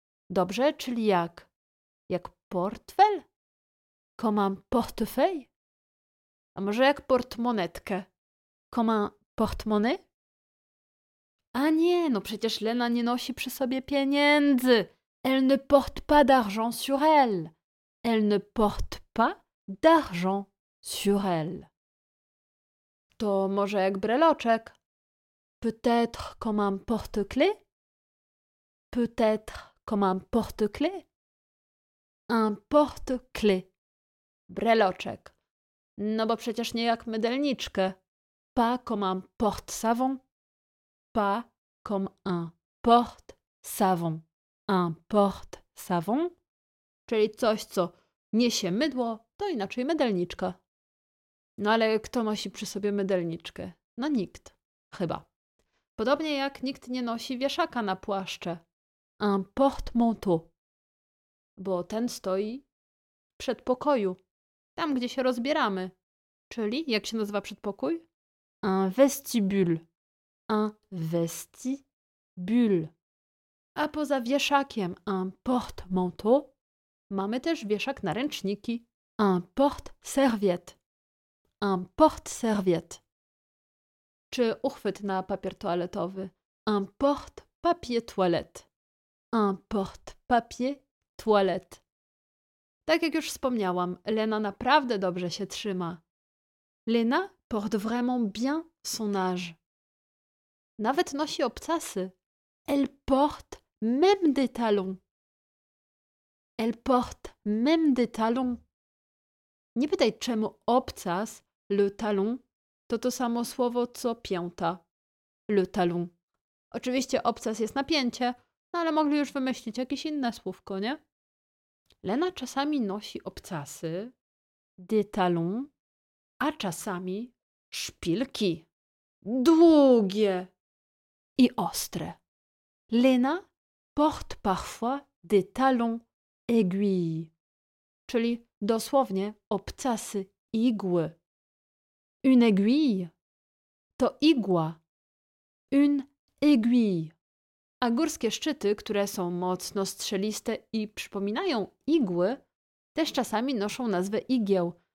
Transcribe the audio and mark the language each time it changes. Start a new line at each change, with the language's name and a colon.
Polish: Dobrze, czyli jak? Jak portfel?
French: Comme un portefeuille?
Polish: A może jak portmonetkę?
French: Comme un Portmonnaie?
Polish: A nie, no przecież Lena nie nosi przy sobie pieniędzy.
French: Elle ne porte pas d'argent sur elle. Elle ne porte pas d'argent sur elle.
Polish: To może jak breloczek.
French: Peut-être comme un porte-clé? Peut-être comme un porte-clé? Un porte-clé. Breloczek.
Polish: No bo przecież nie jak mydelniczkę.
French: Pas comme un porte-savon. Pas comme un porte-savon. Un porte-savon?
Polish: Czyli coś, co niesie mydło, to inaczej mydelniczka. No ale kto nosi przy sobie mydelniczkę? No nikt. Chyba. Podobnie jak nikt nie nosi wieszaka na płaszcze.
French: Un porte-manteau.
Polish: Bo ten stoi w przedpokoju. Tam, gdzie się rozbieramy. Czyli jak się nazywa przedpokój?
French: Un vestibule. Un vestibule.
Polish: A poza wieszakiem un porte-manteau mamy też wieszak na ręczniki.
French: Un porte-serviette. Un porte-serviette.
Polish: Czy uchwyt na papier toaletowy.
French: Un porte-papier toilette. Un porte-papier toilette.
Polish: Tak jak już wspomniałam, Lena naprawdę dobrze się trzyma.
French: Lena porte vraiment bien son âge.
Polish: Nawet nosi obcasy.
French: Elle porte même des talons. Elle porte même des talons.
Polish: Nie pytaj, czemu obcas, le talon, to to samo słowo, co pięta. Le talon. Oczywiście obcas jest napięcie, no ale mogli już wymyślić jakieś inne słówko, nie? Lena czasami nosi obcasy, des talons, a czasami szpilki. Długie. I ostre.
French: Lena porte parfois des talons aiguilles.
Polish: Czyli dosłownie obcasy igły.
French: Une aiguille to igła. Une aiguille.
Polish: A górskie szczyty, które są mocno strzeliste i przypominają igły, też czasami noszą nazwę igieł.